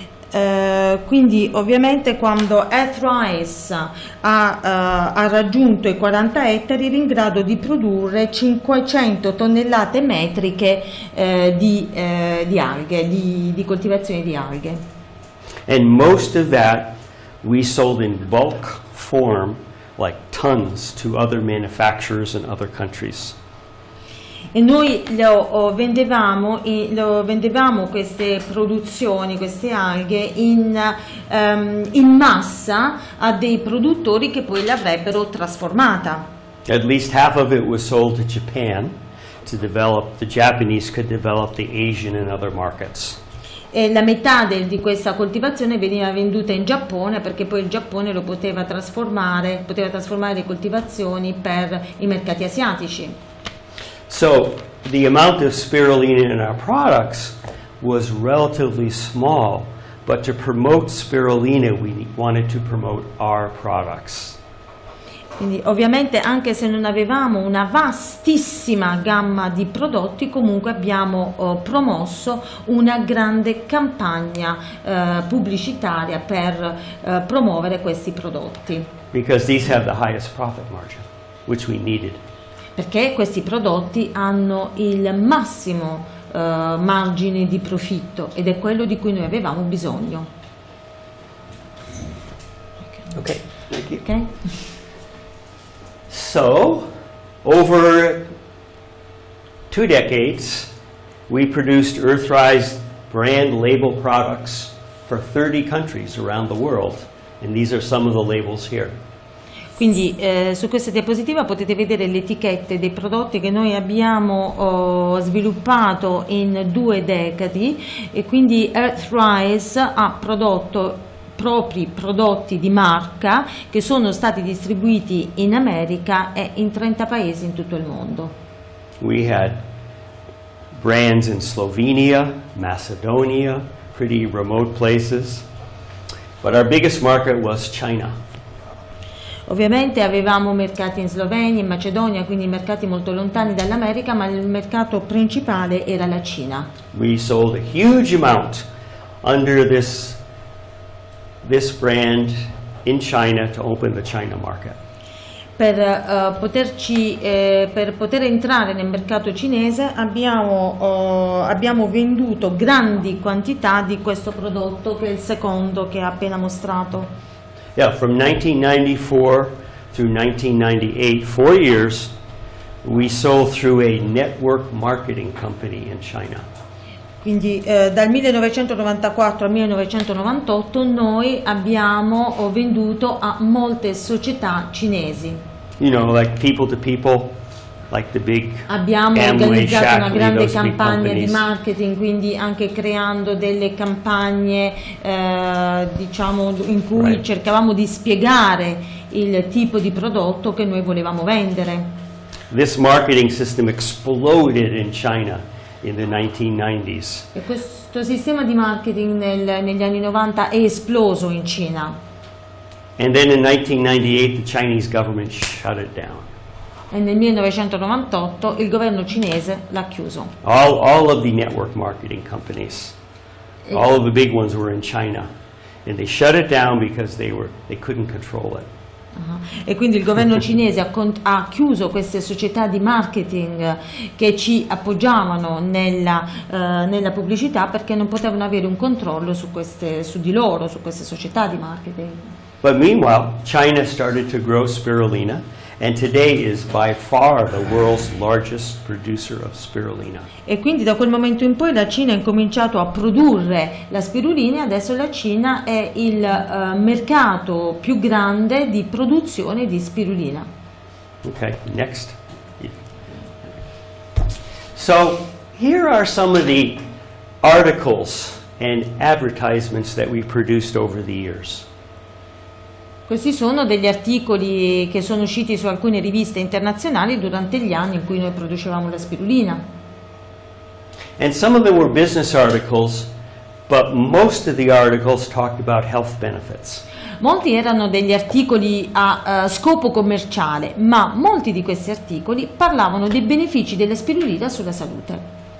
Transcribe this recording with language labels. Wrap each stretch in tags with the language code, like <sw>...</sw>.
<it>Quindi ovviamente quando Earthrise ha raggiunto i 40 ettari era in grado di produrre 500 tonnellate metriche di alghe, di coltivazione di alghe.</it> <en>And most of that we sold in bulk form, like tons, to other manufacturers and other countries.</en> <it>E noi lo vendevamo queste produzioni, queste alghe, in massa a dei produttori che poi l'avrebbero trasformata.</it> <en>At least half of it was sold to Japan to develop, the Japanese could develop the Asian and other markets.</en> <it>E la metà di questa coltivazione veniva venduta in Giappone perché poi il Giappone lo poteva trasformare le coltivazioni per i mercati asiatici.</it> <en>So the amount of spirulina in our products was relatively small, but to promote spirulina we wanted to promote our products.</en> <it>Quindi ovviamente anche se non avevamo una vastissima gamma di prodotti, comunque abbiamo promosso una grande campagna pubblicitaria per promuovere questi prodotti.</it> <en>Because these have the highest profit margin, which we needed.</en> <it>Perché questi prodotti hanno il massimo margine di profitto ed è quello di cui noi avevamo bisogno.</it> <en>Okay, thank you. Okay. So, over 2 decades, we produced Earthrise brand label products for 30 countries around the world, and these are some of the labels here.</en> <it>Quindi su questa diapositiva potete vedere le etichette dei prodotti che noi abbiamo sviluppato in 2 decadi e quindi Earthrise ha prodotto propri prodotti di marca che sono stati distribuiti in America e in 30 paesi in tutto il mondo.</it> <en>We had brands in Slovenia, Macedonia, pretty remote places, but our biggest market was China.</en> <it>Ovviamente avevamo mercati in Slovenia, in Macedonia, quindi mercati molto lontani dall'America, ma il mercato principale era la Cina.</it> <en>We sold a huge amount under this brand in China to open the China market.</en> <it>Per poter entrare nel mercato cinese abbiamo venduto grandi quantità di questo prodotto che è il secondo che ha appena mostrato.</it> <en>Yeah, from 1994 through 1998, 4 years, we sold through a network marketing company in China.</en> <it>Quindi dal 1994 al 1998 noi abbiamo venduto a molte società cinesi.</it> <en>You know, like people to people, like the big</en> <it>abbiamo</it> <en>Amway,</en> <it>organizzato</it> <en>Shackley,</en> <it>una grande campagna di marketing, quindi anche creando delle campagne diciamo in cui</it> <en>right.</en> <it>cercavamo di spiegare il tipo di prodotto che noi volevamo vendere.</it> <en>This marketing system exploded in China in the 1990s.</en> <it>E questo sistema di marketing negli anni 90 è esploso in Cina.</it> <en>And then in 1998 the Chinese government shut it down.</en> <it>E nel 1998 il governo cinese l'ha chiuso.</it> <en>All of the network marketing companies, all of the big ones were in China, and they shut it down because they couldn't control it.</en> <it>Uh-huh. E quindi il governo cinese ha chiuso queste società di marketing che ci appoggiavano nella pubblicità perché non potevano avere un controllo su queste società di marketing.</it> <en>But meanwhile, China started to grow spirulina and today is by far the world's largest producer of spirulina.</en> <it>E quindi da quel momento in poi la Cina ha incominciato a produrre la spirulina e adesso la Cina è il mercato più grande di produzione di spirulina.</it> <en>Okay, next. So, here are some of the articles and advertisements that we produced over the years.</en> <it>Questi sono degli articoli che sono usciti su alcune riviste internazionali durante gli anni in cui noi producevamo la spirulina.</it> <en>And some of them were business articles, but most of the articles talked about health benefits.</en> <it>Molti erano degli articoli a scopo commerciale, ma molti di questi articoli parlavano dei benefici della spirulina sulla salute.</it>